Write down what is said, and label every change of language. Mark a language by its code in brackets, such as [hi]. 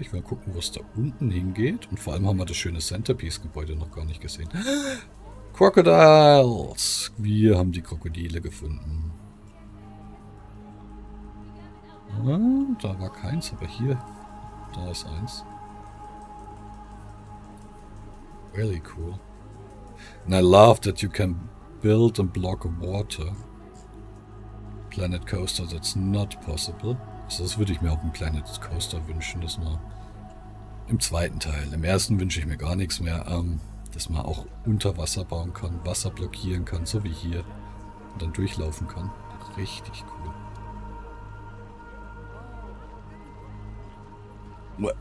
[de] Ich will gucken, wo es da unten hingeht. Und vor allem haben wir das schöne Centerpiece-Gebäude noch gar nicht gesehen. Crocodiles! Wir haben die Krokodile gefunden. Da war keins, aber hier, da ist eins. [en] Really cool. And I love that you can build and block water. Planet Coaster, that's not possible. [de] Also das würde ich mir auf dem Planet Coaster wünschen, dass man im zweiten Teil. Im ersten wünsche ich mir gar nichts mehr, dass man auch unter Wasser bauen kann, Wasser blockieren kann, so wie hier. Und dann durchlaufen kann. Richtig cool.